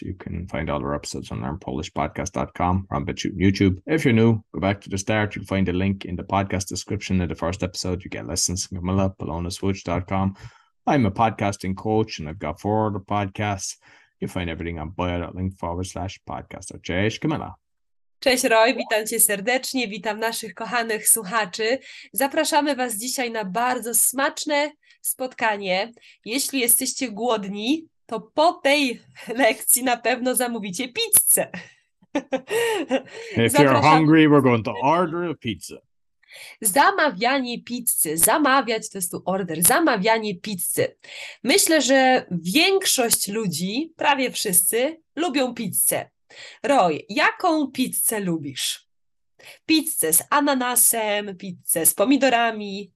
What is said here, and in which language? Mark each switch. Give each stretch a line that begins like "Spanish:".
English: You can find all our episodes on learnpolishpodcast.com or on BitChute and YouTube. If you're new, go back to the start. You'll find a link in the podcast description in the first episode. You get lessons from Camilla, polonaswitch.com. I'm a podcasting coach and I've got four other podcasts. You'll find everything on bio.link/podcast.
Polish: Cześć, Camilla. Cześć Roy, witam Cię serdecznie, witam naszych kochanych słuchaczy. Zapraszamy Was dzisiaj na bardzo smaczne spotkanie. Jeśli jesteście głodni, to po tej lekcji na pewno zamówicie pizzę.
English: If you're hungry, we're going to order a pizza.
Polish: Zamawianie pizzy, zamawiać to jest tu order, zamawianie pizzy. Myślę, że większość ludzi, prawie wszyscy, lubią pizzę. Roy, jaką pizzę lubisz? Pizzę z ananasem, pizzę z pomidorami.